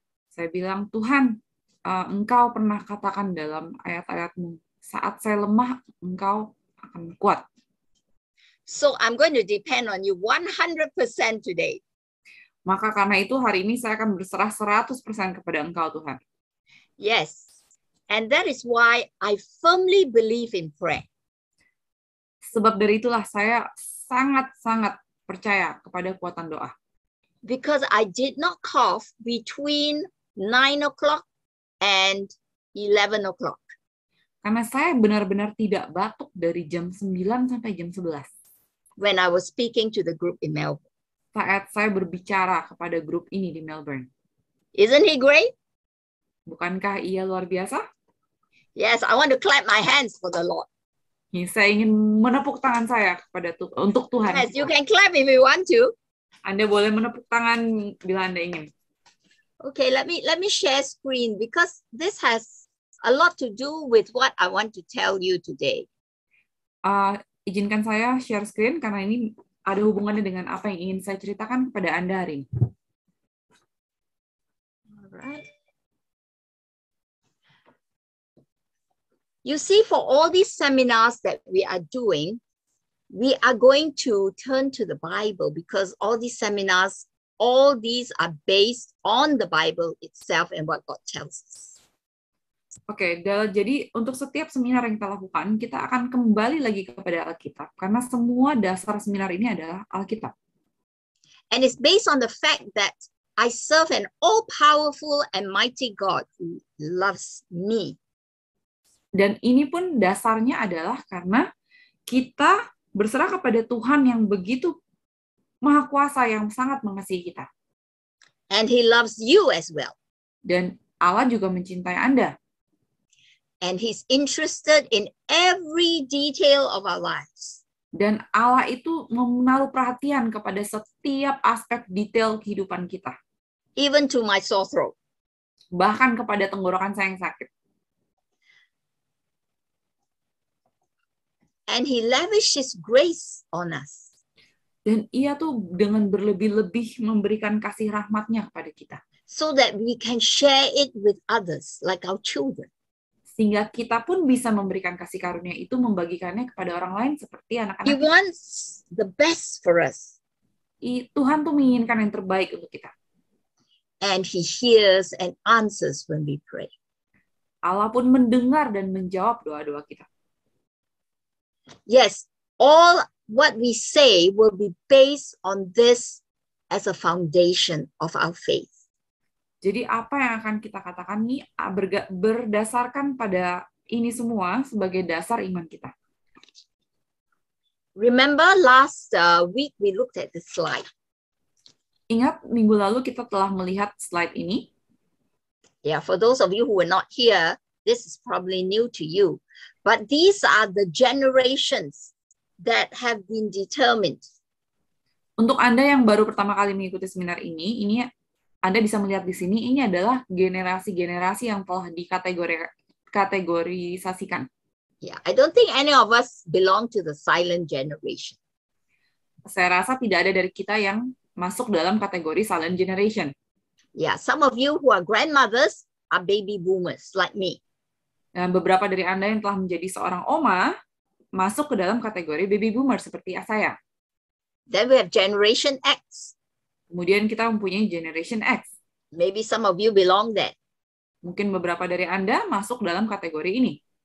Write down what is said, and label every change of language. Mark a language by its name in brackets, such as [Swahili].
[Indonesian] Saya bilang, Tuhan, Engkau pernah katakan dalam ayat-ayat-Mu, saat saya lemah, Engkau akan kuat. [English] So I'm going to depend on you 100% today. [Indonesian] Maka karena itu hari ini saya akan berserah 100% kepada Engkau, Tuhan. [English] Yes. And that is why I firmly believe in prayer. [Indonesian] Sebab dari itulah saya sangat-sangat percaya kepada kekuatan doa. [English] Because I did not cough between 9 o'clock and 11 o'clock. [Indonesian] Karena saya benar-benar tidak batuk dari jam 9 sampai jam 11. [English] When I was speaking to the group in Melbourne. [Indonesian] Saat saya berbicara kepada grup ini di Melbourne. [English] Isn't he great? [Indonesian] Bukankah ia luar biasa? [English] Yes, I want to clap my hands for the Lord. [Indonesian] Saya ingin menepuk tangan saya kepada untuk Tuhan. [English] Yes, you can clap if you want to. [Indonesian] Anda boleh menepuk tangan bila Anda ingin. [English] Okay, let me share screen because this has a lot to do with what I want to tell you today. [Indonesian] Izinkan saya share screen karena ini ada hubungannya dengan apa yang ingin saya ceritakan kepada Anda hari ini. [English] Alright. You see, for all these seminars that we are doing, we are going to turn to the Bible because all these seminars, all these are based on the Bible itself and what God tells us. [Indonesian] Okay, jadi untuk setiap seminar yang kita lakukan, kita akan kembali lagi kepada Alkitab karena semua dasar seminar ini adalah Alkitab. [English] And it's based on the fact that I serve an all-powerful and mighty God who loves me. [Indonesian] Dan ini pun dasarnya adalah karena kita berserah kepada Tuhan yang begitu maha kuasa yang sangat mengasihi kita. [English] And he loves you as well. [Indonesian] Dan Allah juga mencintai Anda. [English] And he's interested in every detail of our lives. [Indonesian] Dan Allah itu menaruh perhatian kepada setiap aspek detail kehidupan kita. [English] Even to my sore throat. [Indonesian] Bahkan kepada tenggorokan saya yang sakit. [English] And he lavishes grace on us. [Indonesian] Dan ia tuh dengan berlebih-lebih memberikan kasih rahmat-Nya kepada kita. [English] So that we can share it with others, like our children. [Indonesian] Sehingga kita pun bisa memberikan kasih karunia itu, membagikannya kepada orang lain seperti anak-anak. [English] He wants the best for us. [Indonesian] Tuhan tuh menginginkan yang terbaik untuk kita. [English] And he hears and answers when we pray. [Indonesian] Allah pun mendengar dan menjawab doa-doa kita. [English] Yes, all what we say will be based on this as a foundation of our faith. [Indonesian] Jadi apa yang akan kita katakan ini berdasarkan pada ini semua sebagai dasar iman kita. [English] Remember last week we looked at the slide. [Indonesian] Ingat minggu lalu kita telah melihat slide ini? [English] Yeah, for those of you who were not here, this is probably new to you, but these are the generations that have been determined. [Indonesian] Untuk Anda yang baru pertama kali mengikuti seminar ini Anda bisa melihat di sini, ini adalah generasi-generasi yang telah dikategorisasikan. [English] Yeah, I don't think any of us belong to the silent generation. [Indonesian] Saya rasa tidak ada dari kita yang masuk dalam kategori silent generation. [English] Yeah, some of you who are grandmothers are baby boomers like me. [Indonesian] Dan beberapa dari Anda yang telah menjadi seorang oma masuk ke dalam kategori baby boomer seperti saya. [English] Then we have Generation X. [Indonesian] Kemudian kita mempunyai Generation X. [English] Maybe some of you belong there. [Indonesian] Mungkin beberapa dari Anda masuk dalam kategori ini.